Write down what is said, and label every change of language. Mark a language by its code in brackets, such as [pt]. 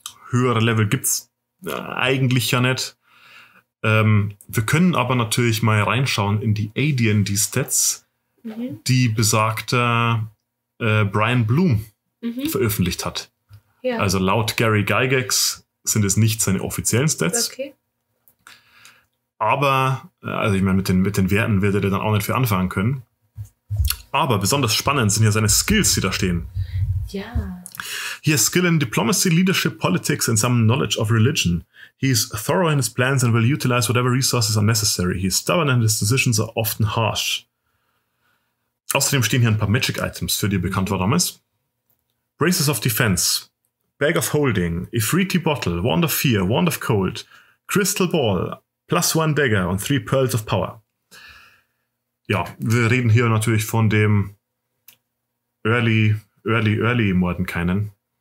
[de] Höhere Level gibt's eigentlich ja nicht. Wir können aber natürlich mal reinschauen in die AD&D-Stats, die besagter Brian Bloom veröffentlicht hat. Ja. Also laut Gary Gygax sind es nicht seine offiziellen Stats. Okay. Aber, also ich meine, mit den Werten wird er dann auch nicht viel anfangen können. Aber besonders spannend sind ja seine Skills, die da stehen. Ja. [en] He has skill in diplomacy, leadership, politics and some knowledge of religion. He is thorough in his plans and will utilize whatever resources are necessary. He is stubborn and his decisions are often harsh. [de] Außerdem stehen hier ein paar Magic Items, für die er bekannt war damals. Braces of Defense, Bag of Holding, Ifriti Bottle, Wand of Fear, Wand of Cold, Crystal Ball, plus one Dagger und 3 Pearls of Power. Ja, wir reden hier natürlich von dem Early Mordenkainen.